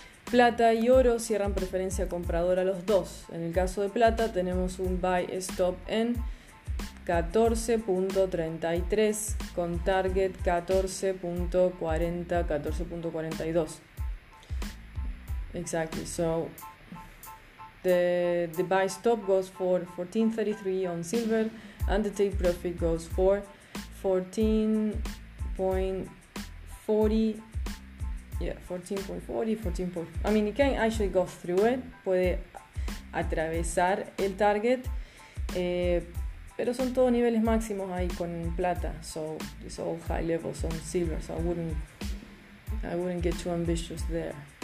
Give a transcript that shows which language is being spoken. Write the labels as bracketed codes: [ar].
[es] Plata y oro cierran preferencia compradora los dos. En el caso de plata tenemos un buy stop en 14.33 con target 14.40, 14.42. [en] Exactly. So the buy stop goes for 14.33 on silver and the take profit goes for 14.40. I mean, it can actually go through it. [es] Puede atravesar el target, pero son todos niveles máximos ahí con plata. [en] So it's all high levels on silver. So I wouldn't get too ambitious there.